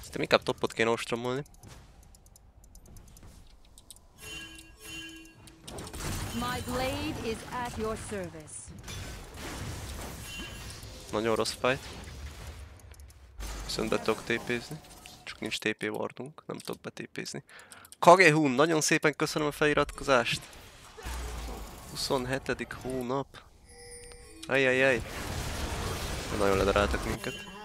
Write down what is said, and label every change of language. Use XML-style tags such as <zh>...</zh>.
<hu>Inkább topot kéne ostromolni.</hu> <en>My blade is at your service.</en> <hu>Nagyon rossz fight. Viszont be tudok tépézni. Csak nincs TP wardunk, nem tudok betépézni. Kagehun, nagyon szépen köszönöm a feliratkozást! 27. hónap. Ajajaj. Nagyon ledaráltak minket.</hu>